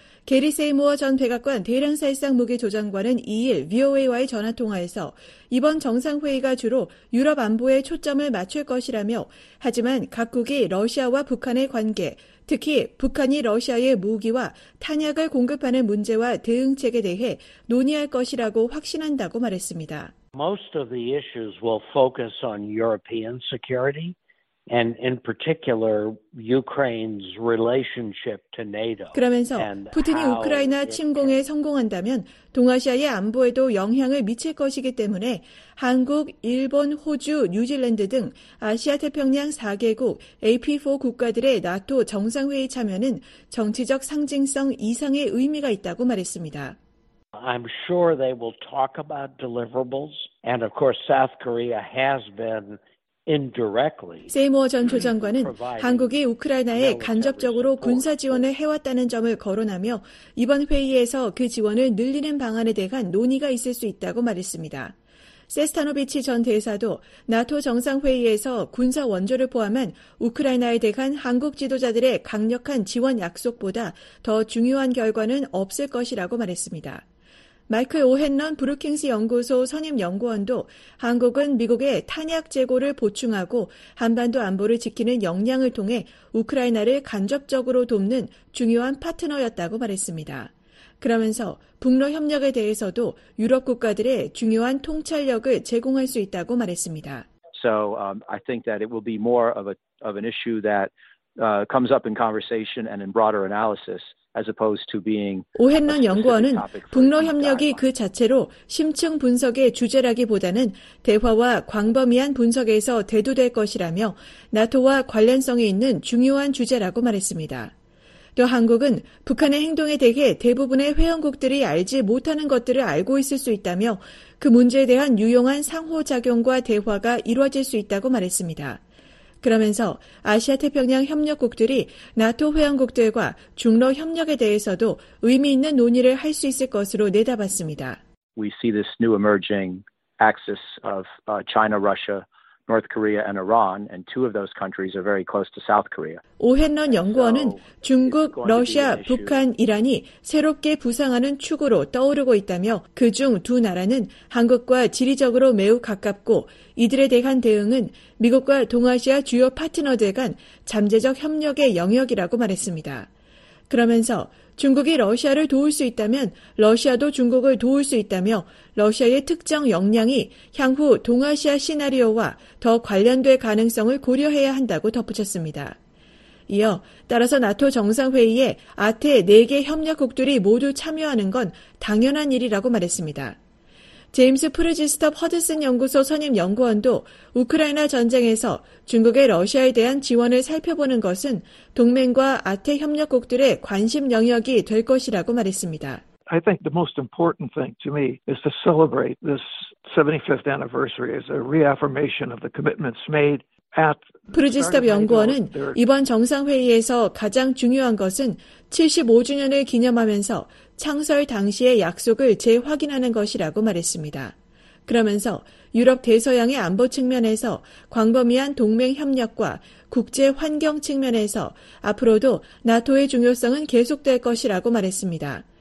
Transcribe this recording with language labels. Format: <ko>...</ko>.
<ko>게리 세이모어 전 백악관 대량살상 무기 조정관은 2일 VOA와의 전화통화에서 이번 정상회의가 주로 유럽 안보에 초점을 맞출 것이라며 하지만 각국이 러시아와 북한의 관계, 특히 북한이 러시아의 무기와 탄약을 공급하는 문제와 대응책에 대해 논의할 것이라고 확신한다고 말했습니다.</ko> <en>Most of the issues will focus on European security and in particular Ukraine's relationship to NATO.</en> <ko>그러면서 푸틴이 우크라이나 침공에 성공한다면 동아시아의 안보에도 영향을 미칠 것이기 때문에 한국, 일본, 호주, 뉴질랜드 등 아시아 태평양 4개국 AP4 국가들의 나토 정상회의 참여는 정치적 상징성 이상의 의미가 있다고 말했습니다.</ko> <en>I'm sure they will talk about deliverables and of course South Korea has been</en> <ko>세이모어 전 조정관은 한국이 우크라이나에 간접적으로 군사 지원을 해왔다는 점을 거론하며 이번 회의에서 그 지원을 늘리는 방안에 대한 논의가 있을 수 있다고 말했습니다. 세스타노비치 전 대사도 나토 정상회의에서 군사 원조를 포함한 우크라이나에 대한 한국 지도자들의 강력한 지원 약속보다 더 중요한 결과는 없을 것이라고 말했습니다. 마이클 오헨런 브루킹스 연구소 선임 연구원도 한국은 미국의 탄약 재고를 보충하고 한반도 안보를 지키는 역량을 통해 우크라이나를 간접적으로 돕는 중요한 파트너였다고 말했습니다. 그러면서 북러 협력에 대해서도 유럽 국가들의 중요한 통찰력을 제공할 수 있다고 말했습니다.</ko> <en>So I think that it will be more of an issue that comes up in conversation and in broader analysis.</en> <ko>오헨런 연구원은 북러 협력이 그 자체로 심층 분석의 주제라기보다는 대화와 광범위한 분석에서 대두될 것이라며 나토와 관련성이 있는 중요한 주제라고 말했습니다. 또 한국은 북한의 행동에 대해 대부분의 회원국들이 알지 못하는 것들을 알고 있을 수 있다며 그 문제에 대한 유용한 상호작용과 대화가 이루어질 수 있다고 말했습니다. 그러면서 아시아태평양 협력국들이 나토 회원국들과 중러 협력에 대해서도 의미 있는 논의를 할 수 있을 것으로 내다봤습니다.</ko> <en>We see this new emerging axis of China, Russia, North Korea, and Iran, and two of those countries are very close to South Korea.</en> <ko>오헨런 연구원은 중국, 러시아, 북한, 이란이 새롭게 부상하는 축으로 떠오르고 있다며 그중 두 나라는 한국과 지리적으로 매우 가깝고 이들에 대한 대응은 미국과 동아시아 주요 파트너들 간 잠재적 협력의 영역이라고 말했습니다. 그러면서 중국이 러시아를 도울 수 있다면 러시아도 중국을 도울 수 있다며 러시아의 특정 역량이 향후 동아시아 시나리오와 더 관련될 가능성을 고려해야 한다고 덧붙였습니다. 이어 따라서 나토 정상회의에 아태 4개 협력국들이 모두 참여하는 건 당연한 일이라고 말했습니다. 제임스 프르지스터 퍼드슨 연구소 선임 연구원도 우크라이나 전쟁에서 중국의 러시아에 대한 지원을 살펴보는 것은 동맹과 아태 협력국들의 관심 영역이 될 것이라고 말했습니다.</ko> <en>I think the most important thing to me is to celebrate this 75th anniversary as a reaffirmation of the commitments made.</en> <ko>프르지스터 연구원은 이번 정상회의에서 가장 중요한 것은 75주년을 기념하면서 창설 당시의 약속을 재확인하는 것이라고 말했습니다. 그러면서 유럽 대서양의 안보 측면에서 광범위한 동맹 협력과 국제 환경 측면에서 앞으로도 나토의 중요성은 계속될 것이라고 말했습니다.</ko>